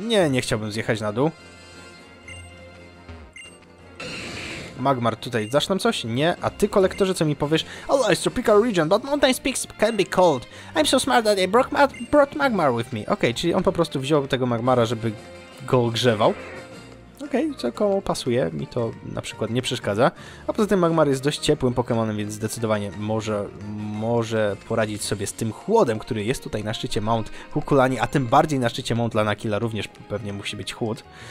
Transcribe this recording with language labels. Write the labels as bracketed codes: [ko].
[pl] Nie chciałbym zjechać na dół. Magmar, tutaj dasz nam coś? Nie. A ty, kolektorze, co mi powiesz? [en] Hello, it's tropical region, but mountain peaks can be cold. I'm so smart that I brought Magmar with me. [pl] Okej, czyli on po prostu wziął tego Magmara, żeby go ogrzewał. Okej, co komu pasuje, mi to na przykład nie przeszkadza. A poza tym Magmar jest dość ciepłym Pokémonem, więc zdecydowanie może poradzić sobie z tym chłodem, który jest tutaj na szczycie Mount Hukulani, a tym bardziej na szczycie Mount Lanakila również pewnie musi być chłód.